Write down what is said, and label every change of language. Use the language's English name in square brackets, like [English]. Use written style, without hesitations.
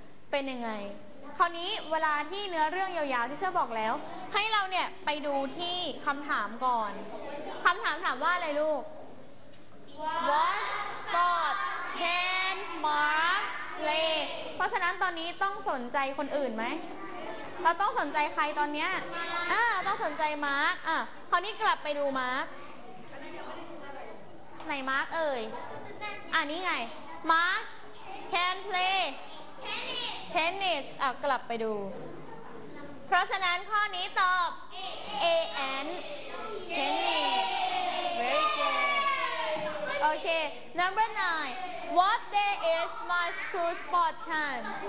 [Thai] เป็นยังไงคราวนี้เวลาที่เนื้อเรื่องยาวๆที่เชื่อบอกแล้วให้เราเนี่ยไปดูที่คำถามก่อนคำถามถามว่าอะไรลูก [English] What sport can Mark play [Thai] เพราะฉะนั้นตอนนี้ต้องสนใจคนอื่นไหมเราต้องสนใจใครตอนเนี้ยต้องสนใจ Mark คราวนี้กลับไปดู Mark ไหน Mark เอ่ยนี่ไง [English] Mark can play Tennis [Thai] กลับไปดูเพราะฉะนั้นข้อนี้ตอบ A and Tennis [English] Very good Okay Number 9 What day is my school sport time?